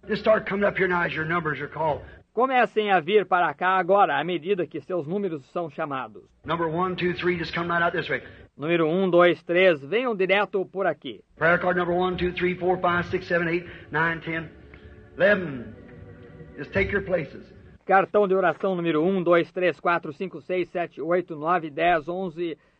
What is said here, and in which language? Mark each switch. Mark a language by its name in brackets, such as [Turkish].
[English] Just start coming up here now as your numbers are called. [Portuguese] Comecem a vir para cá agora à medida que seus números são chamados. [English] Number 1, 2, 3, just come right out this way. [Portuguese] Número 1, 2, 3, venham direto por aqui. [English] Prayer card number 1, 2, 3, 4, 5, 6, 7, 8, 9, 10, 11. Just take your places. [Portuguese] Cartão de oração número 1, 2, 3, 4, 5, 6, 7, 8, 9, 10, 11.